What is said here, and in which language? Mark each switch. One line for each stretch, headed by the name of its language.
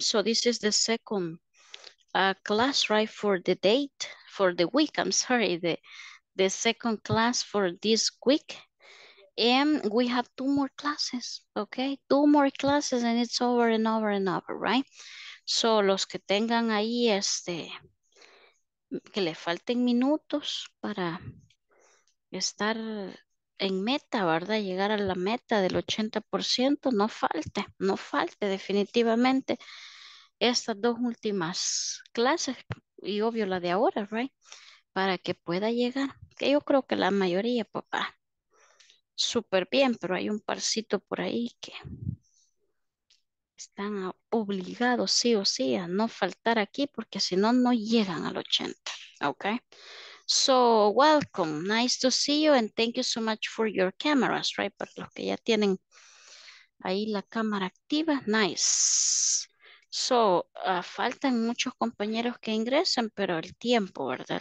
English: So this is the second class, right, for the date, for the week. I'm sorry, the second class for this week. And we have two more classes, okay? Two more classes and it's over and over and over, right?
Spanish: So los que tengan ahí que le falten minutos para estar en meta, ¿verdad? Llegar a la meta del 80%, no falte, no falte definitivamente estas dos últimas clases y obvio la de ahora,
English: right?
Spanish: Para que pueda llegar, que yo creo que la mayoría, papá. Súper bien, pero hay un parcito por ahí que están obligados sí o sí a no faltar aquí porque si no, no llegan al 80.
English: Okay. So, welcome. Nice to see you and thank you so much for your cameras, right?
Spanish: Para los que ya tienen ahí la cámara activa. Nice. So, faltan muchos compañeros que ingresen, pero el tiempo, ¿verdad?